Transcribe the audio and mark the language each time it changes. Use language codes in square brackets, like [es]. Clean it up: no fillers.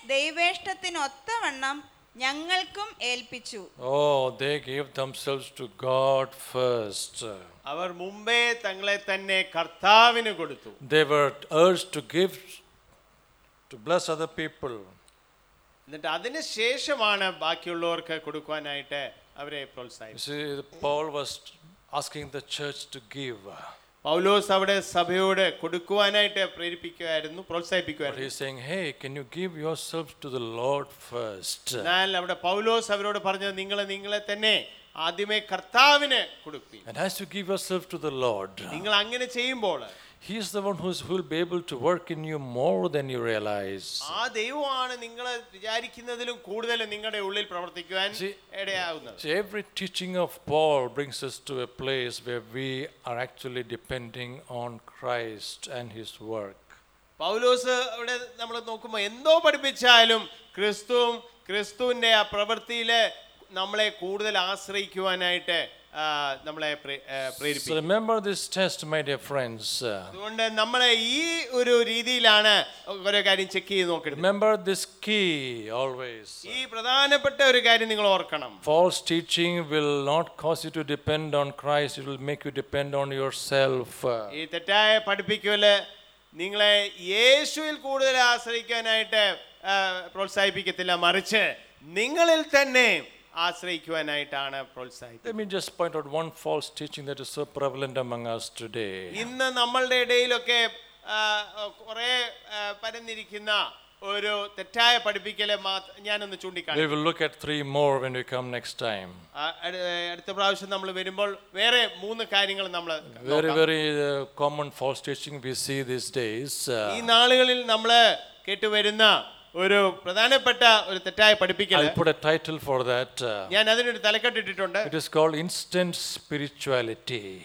[ml] ദൈവേഷ്ടത്തിനൊത്തവണ്ണം ഞങ്ങൾക്കും ഏൽപ്പിച്ചു. [en] ഓ, they gave themselves to God first. [ml] അവർ മുൻപേ തങ്ങളെ തന്നെ കർത്താവിന് കൊടുത്തു. [en] They were urged to give, to bless other people. [ml] എന്നിട്ട് അതിനുശേഷമാണ് ബാക്കിയുള്ളവർക്ക് കൊടുക്കുവാനായിട്ട് അവരെ പ്രോത്സാഹിപ്പിച്ചത്. [en] Paul was asking the church to give. [ml] പൗലോസ് അവിടെ സഭയോട് കൊടുക്കുവാനായിട്ട് പ്രേരിപ്പിക്കുകയായിരുന്നു, പ്രോത്സാഹിപ്പിക്കുകയായിരുന്നു. [en] He is saying, hey, can you give yourself to the Lord first? [ml] എന്നാൽ അവിടെ പൗലോസ് അവരോട് പറഞ്ഞു, നിങ്ങളെ തന്നെ ആദ്യമേ കർത്താവിന് കൊടുക്കുവിൻ. [en] And has to give yourself to the Lord. [ml] നിങ്ങൾ അങ്ങനെ ചെയ്യുമ്പോൾ [en] He is the one who will be able to work in you more than you realize. [ml] ആ ദൈവമാണ് നിങ്ങളെ വിചാരിക്കുന്നതിലും കൂടുതൽ നിങ്ങളുടെ ഉള്ളിൽ പ്രവർത്തിക്കാൻ ഇടയാകുന്നത്. [en] Every teaching of Paul brings us to a place where we are actually depending on Christ and his work. [ml] പൗലോസ് അവിടെ നമ്മൾ നോക്കുമ്പോൾ എന്തോ പഠിപ്പിച്ചാലും ക്രിസ്തുവും ക്രിസ്തുവിന്റെ ആ പ്രവൃത്തിയിലെ നമ്മളെ കൂടുതൽ ആശ്രയിക്കുവാനായിട്ട് നമ്മളെ പ്രേരിപ്പിച്ചു. [en] So remember this test, my dear friends. [ml] അതുകൊണ്ട് നമ്മൾ ഈ ഒരു രീതിയിലാണ് ഓരോ കാര്യം ചെക്ക് ചെയ്ത് നോക്കേണ്ടത്. [en] Remember this key always. [ml] ഈ പ്രധാനപ്പെട്ട ഒരു കാര്യം നിങ്ങൾ ഓർക്കണം. [en] False teaching will not cause you to depend on Christ. It will make you depend on yourself. [ml] ഈ തെറ്റായ പഠിപ്പിക്കല് നിങ്ങളെ യേശുവിൽ കൂടുതൽ ആശ്രയിക്കാനായിട്ട് പ്രോത്സാഹിപ്പിക്കത്തില്ല, മറിച്ച് നിങ്ങളിൽ തന്നെ ആശ്രയിക്കുവാനായിട്ടാണ് പ്രോത്സാഹിപ്പിക്കുന്നത്. [en] Let me just point out one false teaching that is so prevalent among us today. [ml] ഇന്ന് നമ്മളുടെ ഇടയിലൊക്കെ കുറേ പരന്നിരിക്കുന്ന ഒരു തെറ്റായ പഠിപ്പിക്കലെ ഞാനൊന്ന് ചൂണ്ടിക്കാണിക്കും. [en] We will look at three more when we come next time. [ml] അടുത്ത പ്രാവശ്യം നമ്മൾ വരുമ്പോൾ വേറെ മൂന്ന് കാര്യങ്ങൾ നമ്മൾ നോക്കാം. [en] Very very common false teaching we see these days. [ml] ഈ നാളുകളിൽ നമ്മൾ കേട്ടുവരുന്ന ഒരു പ്രധാനപ്പെട്ട ഒരു തെറ്റായ പഠിപ്പിക്കൽ. [en] I put a title for that. [ml] ഞാൻ അതിനൊരു തലക്കെട്ട് ഇട്ടിട്ടുണ്ട്. [en] It is called instant spirituality.